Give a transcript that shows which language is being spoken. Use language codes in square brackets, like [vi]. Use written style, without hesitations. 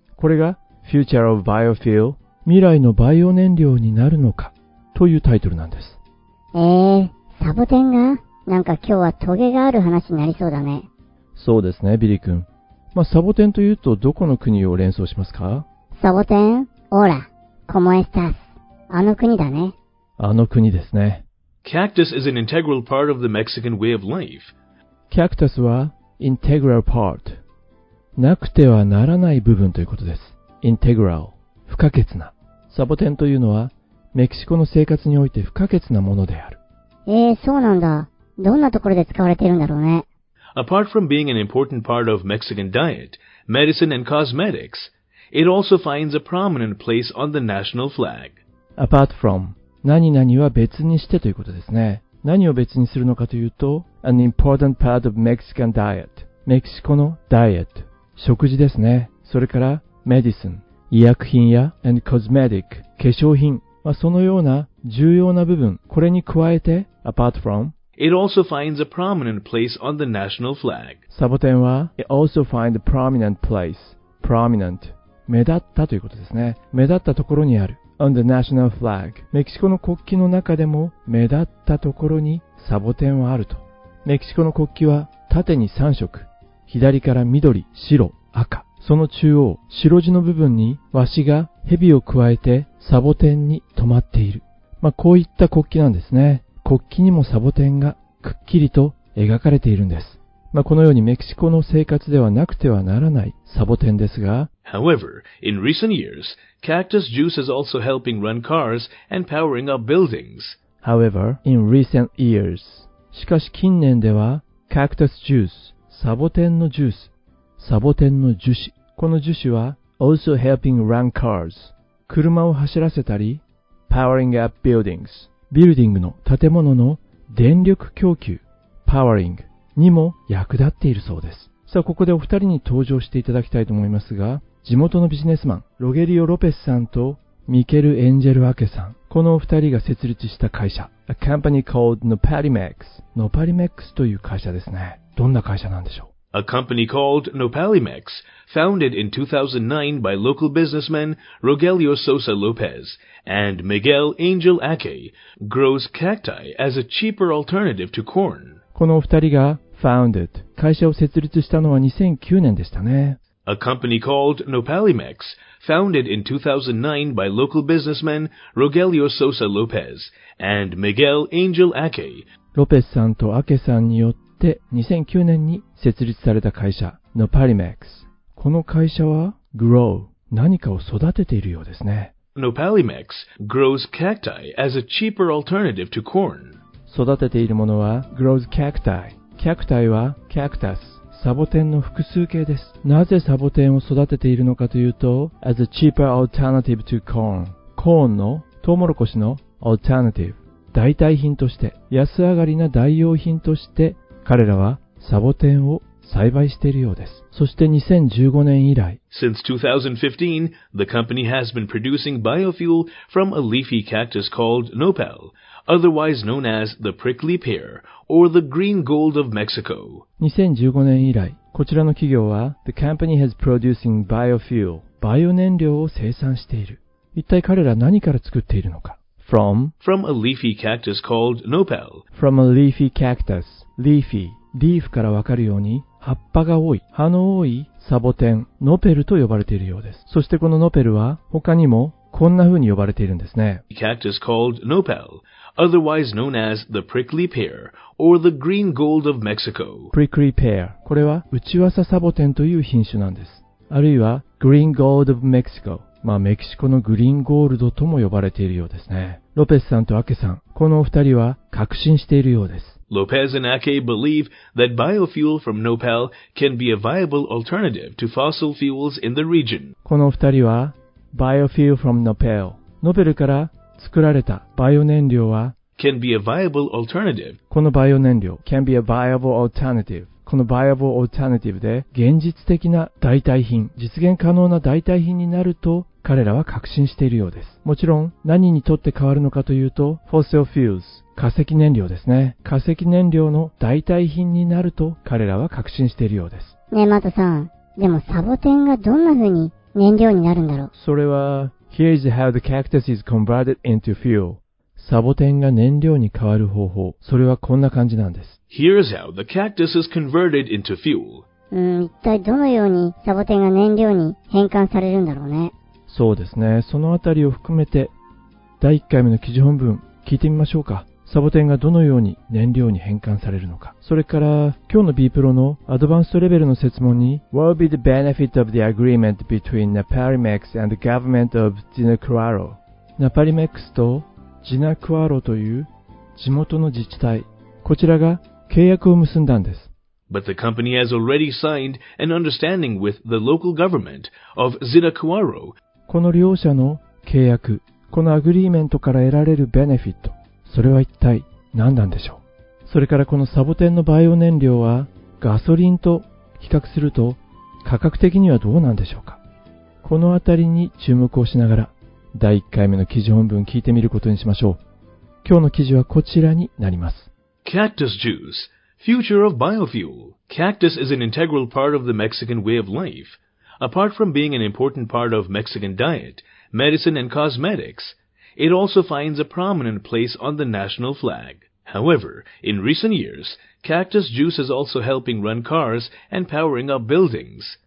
[ja] これが、 [en] Future of Biofuel、 [ja] 未来のバイオ燃料になるのか、というタイトルなんです。サボテンが？なんか今日はトゲがある話になりそうだね。そうですね、ビリー君。まあ、サボテンというとどこの国を連想しますか？サボテン、オーラ、コモエスタス、あの国だね。あの国ですね。 [en] Cactus is an integral part of the Mexican way of life. [ja] Cactus は [en] integral part。 [ja] なくてはならない部分ということです。 Integral、不可欠な。サボテンというのはメキシコの生活において不可欠なものである。そうなんだ。どんなところで使われているんだろうね。 [en] Apart from being an important part of Mexican diet, medicine and cosmetics, it also finds a prominent place on the national flag. Apart from, [ja] 何々は別にしてということですね。何を別にするのかというと、 [en] an important part of Mexican diet. [ja] メキシコのダイエット。食事ですね。それから、medicine. 医薬品や、 [en] and cosmetic. [ja] 化粧品。まあ、そのような重要な部分。これに加えて、 [en] apart from, It also finds a prominent place on the national flag. [ja] サボテンは、 [en] It also finds a prominent place. Prominent. [ja] 目立ったということですね。目立ったところにある。 On the national flag. メキシコの国旗の中でも、目立ったところにサボテンはあると。メキシコの国旗は、縦に3色。左から緑、白、赤。その中央、白地の部分に、ワシが蛇を加えて、サボテンに止まっている。まあ、こういった国旗なんですね。国旗にもサボテンがくっきりと描かれているんです。まあ、このようにメキシコの生活ではなくてはならないサボテンですが、 [en] However, in recent years, cactus juice is also helping run cars and powering up buildings. However, in recent years, [ja] しかし近年では、 [en] cactus juice, [ja] サボテンのジュース、サボテンの樹脂、この樹脂は [en] also helping run cars, [ja] 車を走らせたり、 [en] powering up buildings. [ja] ビルディングの建物の電力供給、パワリングにも役立っているそうです。さあ、ここでお二人に登場していただきたいと思いますが、地元のビジネスマン、ロゲリオ・ロペスさんとミケル・エンジェル・アケさん、このお二人が設立した会社、 [en] A company called Nopalimex。 [ja] Nopalimex という会社ですね。どんな会社なんでしょう？ [en] A company called Nopalimex, founded in 2009 by local businessmen Rogelio Sosa Lopez. And Miguel Angel Ake grows cacti as a cheaper alternative to corn. [ja] このお二人が founded 会社を設立したのは2009年でしたね。 [en] A company called Nopalimex, founded in 2009 by local businessmen Rogelio Sosa Lopez and Miguel Angel Ake. [ja] ロペスさんとアケさんによって2009年に設立された会社 Nopalimex。この会社は grow 何かを育てているようですね。 [en] Nopalimex grows cacti as a cheaper alternative to corn. [ja] 育てているものは [en] grows cacti. Cacti [ja] は [en] cactus. [ja] サボテンの複数形です。なぜサボテンを育てているのかというと [en] as a cheaper alternative to corn. [ja] コーンのトウモロコシの alternative. 代替品として安上がりな代用品として彼らはサボテンを栽培しているようです。そして2015年以来 [en] Since 2015, the company has been producing biofuel from a leafy cactus called Nopal, otherwise known as the prickly pear, or the green gold of Mexico. [ja] 2015年以来、こちらの企業は [en] The company has producing biofuel, [ja] バイオ燃料を生産している。一体彼ら何から作っているのか [en] From a leafy cactus called Nopal. From a leafy cactus, leafy. [ja] リーフからわかるように、葉っぱが多い、葉の多いサボテン、ノペルと呼ばれているようです。そしてこのノペルは、他にも、こんな風に呼ばれているんですね。 [en] Cactus called Nopal, otherwise known as the prickly pear, or the green gold of Mexico. Prickly pear, [ja] これは、内噂サボテンという品種なんです。あるいは、 [en] green gold of Mexico, [ja] まあメキシコのグリーンゴールドとも呼ばれているようですね。ロペスさんとアケさん、このお二人は確信しているようです。 [en] ロペス and Ake believe that biofuel from Nopal can be a viable alternative to fossil fuels in the region. [ja] このお二人は、 [en] biofuel from Nopal、 [ja] ノペルから作られたバイオ燃料は、 [en] can be a viable alternative. [ja] このバイオ燃料、 [en] can be a viable alternative. [ja] この [en] viable alternative [ja] で現実的な代替品、実現可能な代替品になると彼らは確信しているようです。もちろん何にとって変わるのかというと、 [en] fossil fuels、 [ja] 化石燃料ですね。化石燃料の代替品になると彼らは確信しているようです。ねえ、マトさん。でもサボテンがどんな風に燃料になるんだろう？それは、 [en] here's how the cactus is converted into fuel. [ja] サボテンが燃料に変わる方法、それはこんな感じなんです。 [en] Here's how the cactus is converted into fuel. [ja] 一体どのようにサボテンが燃料に変換されるんだろうね。そうですね。そのあたりを含めて、第1回目の記事本文、聞いてみましょうか。サボテンがどのように燃料に変換されるのか。それから、今日の B プロのアドバンストレベルの設問に、 [en] What will be the benefit of the agreement between Napalimex and the government of Dinacuaro? [ja] Napalimexとジナクアロという地元の自治体、こちらが契約を結んだんです。 [en] But the company has already signed an understanding with the local government of Zinacuaro. [ja] この両者の契約、このアグリーメントから得られるベネフィット、それは一体何なんでしょう。それからこのサボテンのバイオ燃料はガソリンと比較すると価格的にはどうなんでしょうか。このあたりに注目をしながら、第1回目の記事本文聞いてみることにしましょう。今日の記事はこちらになります。 [en] Cactus juice, future of biofuel. Cactus is an integral part of the Mexican way of life. Apart from being an important part of Mexican diet, medicine and cosmetics, it also finds a prominent place on the national flag. However, in recent years, cactus juice is also helping run cars and powering up buildings.